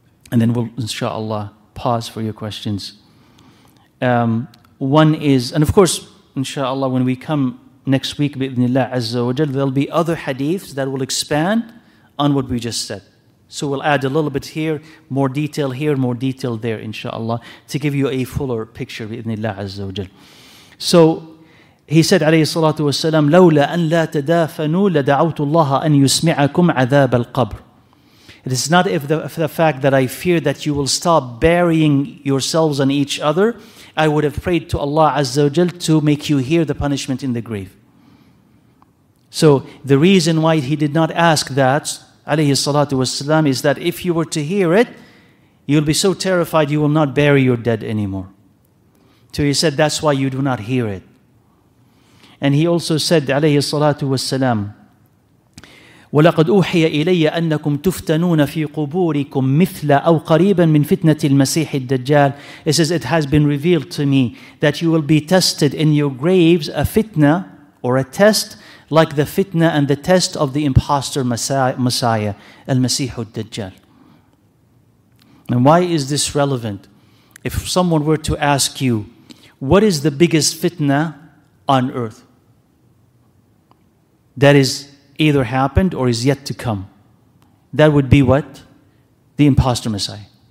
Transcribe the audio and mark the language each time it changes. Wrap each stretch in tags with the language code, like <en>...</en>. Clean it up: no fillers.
<en>And then we'll, inshallah, pause for your questions. One is, and of course, inshallah, when we come next week, bi'idhnillah azza wa jal, there'll be other hadiths that will expand on what we just said. So we'll add a little bit here, more detail there, inshallah, to give you a fuller picture, bi'idhnillah azza wa jal. So he said, alayhi salatu wasalam,</en> <ar>لَوْلَا أَن لَا تَدَافَنُوا لَدَعَوْتُ اللَّهَ أَن يُسْمِعَكُمْ عَذَابَ الْقَبْرِ.</ar> <en>It is not if the fact that I fear that you will stop burying yourselves on each other, I would have prayed to Allah Azza wa Jal to make you hear the punishment in the grave. So the reason why he did not ask that, alayhi salatu wasalam, is that if you were to hear it, you'll be so terrified you will not bury your dead anymore. So he said, that's why you do not hear it. And he also said, alayhi salatu wasalam,</en> <ar>وَلَقَدْ أُوحِيَ إِلَيَّ أَنَّكُمْ تُفْتَنُونَ فِي قُبُورِكُمْ مِثْلَ أَوْ قَرِيبًا مِنْ فِتْنَةِ الْمَسِيحِ الدَّجَّالِ.</ar> <en>It says, it has been revealed to me that you will be tested in your graves, a fitna or a test, like the fitna and the test of the imposter Messiah, al-Masih al-Dajjal. And why is this relevant? If someone were to ask you, what is the biggest fitna on earth that is either happened or is yet to come, that would be what? The imposter Messiah.</en>